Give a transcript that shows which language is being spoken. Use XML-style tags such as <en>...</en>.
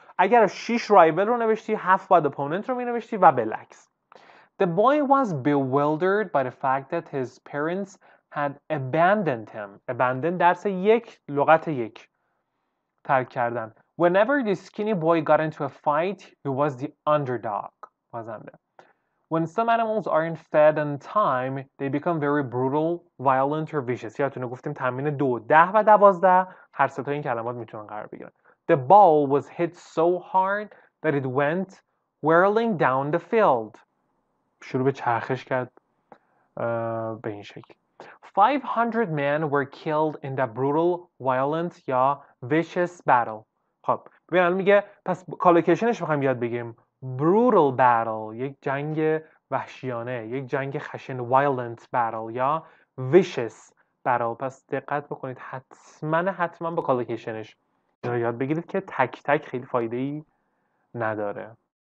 <fa>اگر 6 rival رو نوشتی 7 باید opponent رو مینوشتی و بالعکس.</fa> <en>The boy was bewildered by the fact that his parents had abandoned him.</en> <fa>Abandoned درس یک، لغت یک، ترک کردن.</fa> <en>Whenever the skinny boy got into a fight, he was the underdog.</en> <fa>بازنده.</fa> <en>When some animals aren't fed on time, they become very brutal, violent or vicious.</en> <fa>یادتونه گفتیم تمرین 2, 10 و 12 هر سه تا این کلمات میتونن قرار بگیرن.</fa> <en>The ball was hit so hard that it went whirling down the field.</en> <fa>شروع به چرخش کرد به این شکل.</fa> <en>500 men were killed in the brutal, violent یا vicious battle.</en> <fa>خب ببین الان میگه پس کالوکیشنش بخوایم یاد بگیم، brutal battle یک جنگ وحشیانه، یک جنگ خشن، violent battle یا vicious battle. پس دقت بکنید حتما به کالوکیشنش یاد بگیرید که تک تک خیلی فایده‌ای نداره.</fa>